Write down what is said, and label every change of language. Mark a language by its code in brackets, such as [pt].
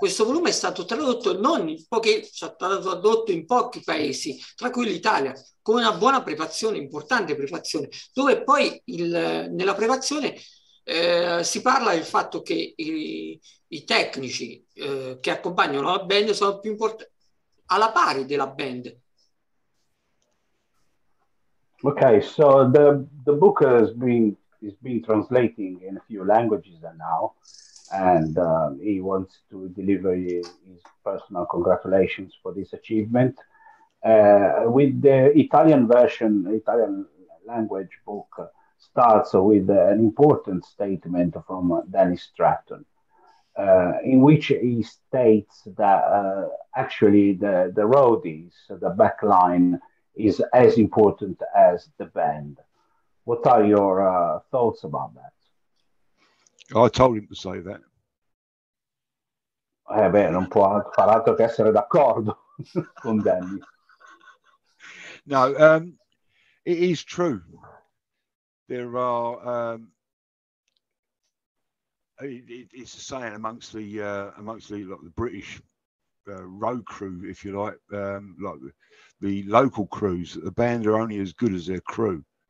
[it] Questo volume è stato tradotto in pochi paesi, tra cui l'Italia, con una buona prefazione, importante prefazione, dove poi nella prefazione si parla del fatto che i tecnici che accompagnano la band sono più importanti, alla pari della band. [en] Okay, so the book has been translating in a few languages now, and he wants to deliver his personal congratulations for this achievement. With the Italian version, Italian language book starts with an important statement from Dennis Stratton, in which he states that actually the roadies, the backline, is as important as the band. What are your thoughts about that? I told him to say that. [it] Beh, non può far altro che essere d'accordo con Danny. [en] No, it is true. There are, it's a saying amongst the British road crew, if you like the local crews, the band are only as good as their crew.